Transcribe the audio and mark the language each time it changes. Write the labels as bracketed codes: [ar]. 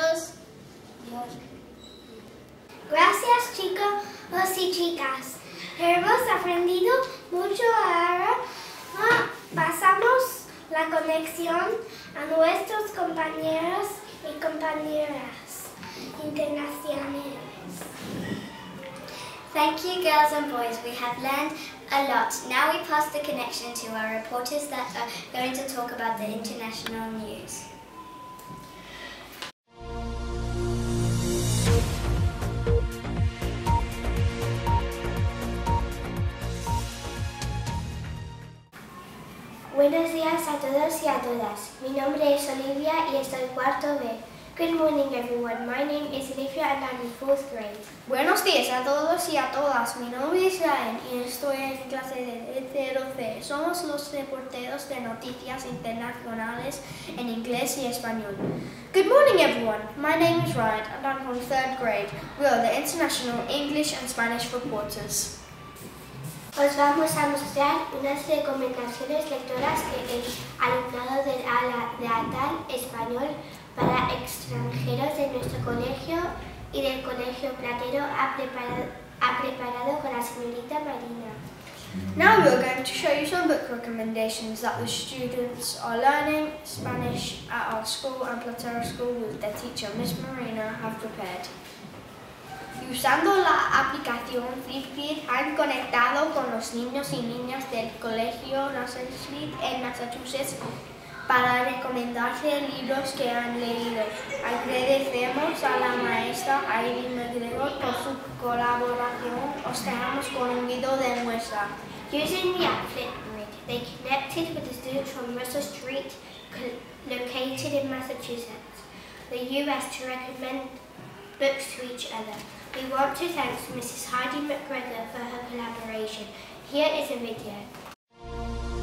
[es] Adiós. Gracias, chicos y chicas. Hemos aprendido mucho ahora. Pasamos la conexión a nuestros compañeros y compañeras internacionales. [en] Thank you, girls and boys. We have learned a lot. Now we pass the connection to our reporters that are going to talk about the international news. [es] Buenos días a todos y a todas. Mi nombre es Olivia y estoy cuarto B. [en] Good morning, everyone. My name is Olivia and I'm in fourth grade. [es] Buenos días a todos y a todas. Mi nombre es Ryan y estoy en clase de 0C. Somos los reporteros de noticias internacionales en inglés y español. [en] Good morning, everyone. My name is Ryan and I'm from third grade. We are the international English and Spanish reporters. [es] Os vamos a mostrar unas recomendaciones lectoras que el alumnado del ala de ATAL español para extranjeros de nuestro colegio y del Colegio Platero ha preparado con la señorita Marina. [en] Now we're going to show you some book recommendations that the students are learning Spanish at our school and Platero School with their teacher, Miss Marina, have prepared. [es] Usando la aplicación Flipgrid, han conectado con los niños y niñas del Colegio Nassau Street en Massachusetts para recomendarse libros que han leído. Agradecemos a la maestra Irene McGregor por su colaboración. Os dejamos con un video de muestra. [en] Using the app Flipgrid, they connected with the students from Russell Street, located in Massachusetts, the U.S. to recommend books to each other. We want to thank Mrs. Heidi McGregor for her collaboration. Here is a video.